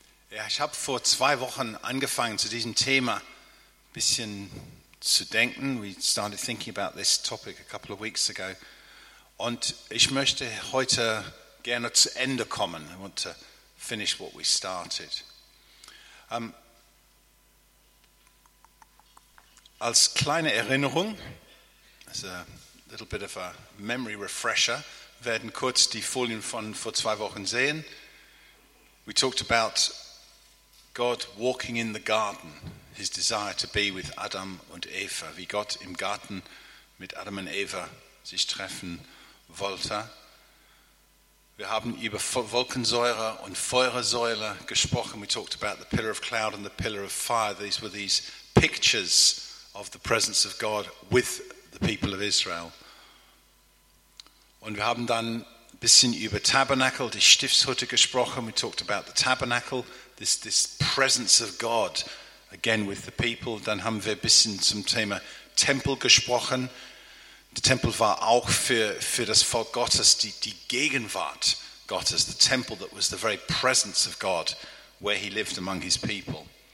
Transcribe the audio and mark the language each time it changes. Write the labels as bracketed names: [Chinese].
[German] Ja, ich habe vor zwei Wochen angefangen, zu diesem Thema ein bisschen zu denken. [English] We started thinking about this topic a couple of weeks ago. [German] Und ich möchte heute gerne zu Ende kommen. [English] I want to finish what we started. [German] Als kleine Erinnerung, [English] as a little bit of a memory refresher, [German] werden kurz die Folien von vor zwei Wochen sehen. [English] We talked about God walking in the garden, his desire to be with Adam and Eva, [German] wie Gott im Garten mit Adam und Eva sich treffen wollte. Wir haben über Wolkensäure und Feuersäule gesprochen. [English] We talked about the pillar of cloud and the pillar of fire. These were these pictures of the presence of God with the people of Israel. [German] Und wir haben dann ein bisschen über Tabernakel, die Stiftshütte gesprochen. [English] We talked about the tabernacle, this presence of God, again with the people. [German] Dann haben wir ein bisschen zum Thema Tempel gesprochen. Der Tempel war auch für das Volk Gottes die Gegenwart Gottes, [English] the temple that was the very presence of God, where he lived among his people.